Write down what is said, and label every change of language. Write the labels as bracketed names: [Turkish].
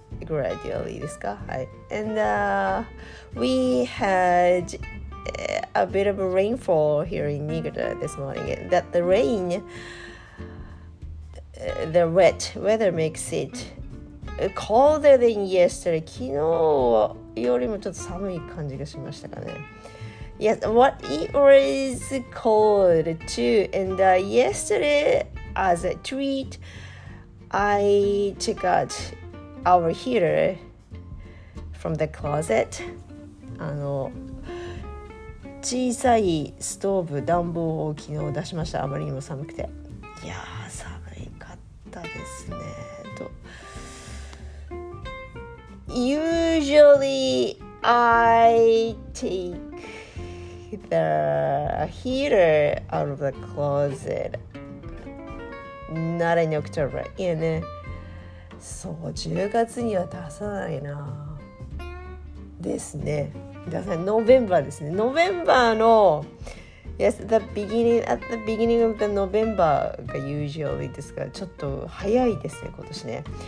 [English] Gradually [Japanese] ですか、はい、 [English] And we had a bit of a rainfall here in Niigata this morning. That the rain, the wet weather makes it colder than yesterday. [Japanese] 昨日よりもちょっと寒い感じがしましたかね。 [English] Yes, what it was cold too. And yesterday, as a treat, I took outOur heater from the closet. [Japanese] あの小さいストーブ暖房を昨日出しました。あまりにも寒くて、いやー寒いかったですね。 [English] と、usually I take the heater out of the closet. Not in October, you know. [Japanese] そう、10月には出さないなですね。出さない。ノーベンバーですね。ノーベンバーの [English] Yes, the beginning, at the beginning of the November [Japanese] が usually ですが、ちょっと早いですね、今年ね。